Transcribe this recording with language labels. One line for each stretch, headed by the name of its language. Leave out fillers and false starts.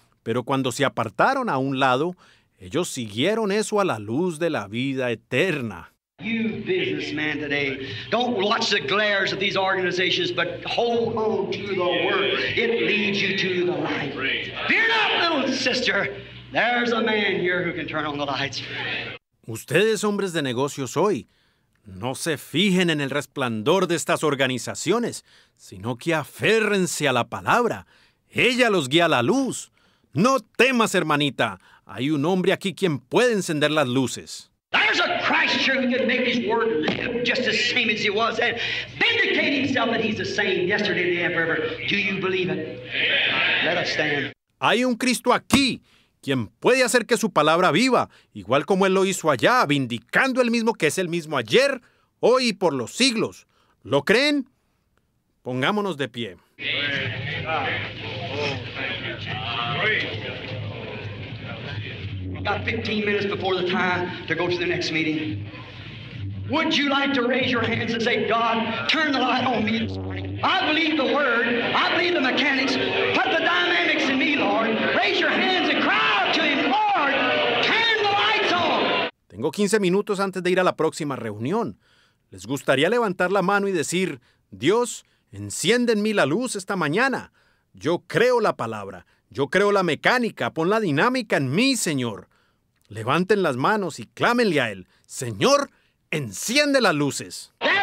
Spanish: Pero cuando se apartaron a un lado, ellos siguieron eso a la luz de la vida eterna.
English: You businessmen today, don't watch the glares of these organizations, but hold on to the word. It leads you to the light. Fear not, little sister. There's a man here who can turn on the lights.
Spanish: Ustedes, hombres de negocios hoy, no se fijen en el resplandor de estas organizaciones, sino que aférrense a la palabra. Ella los guía a la luz. No temas, hermanita. Hay un hombre aquí quien puede encender las luces.
English: There's a Christ here who could make his word live just the same as he was and vindicate himself that he's the same yesterday, today, and forever. Do you believe it? Let us stand.
Spanish: Hay un Cristo aquí, quien puede hacer que su palabra viva, igual como él lo hizo allá, vindicando el mismo que es el mismo ayer, hoy y por los siglos. ¿Lo creen? Pongámonos de pie.
English: Got 15 minutes before the time to go to the next meeting. Would you like to raise your hands and say, God, turn the light on me this morning. I believe the word. I believe the mechanics. Put the dynamics in me, Lord. Raise your hands and cry out to him, Lord, turn the lights on.
Spanish: Tengo 15 minutos antes de ir a la próxima reunión. ¿Les gustaría levantar la mano y decir, Dios, enciende en mí la luz esta mañana? Yo creo la palabra. Yo creo la mecánica. Pon la dinámica en mí, Señor. Levanten las manos y clámenle a Él. Señor, enciende las luces.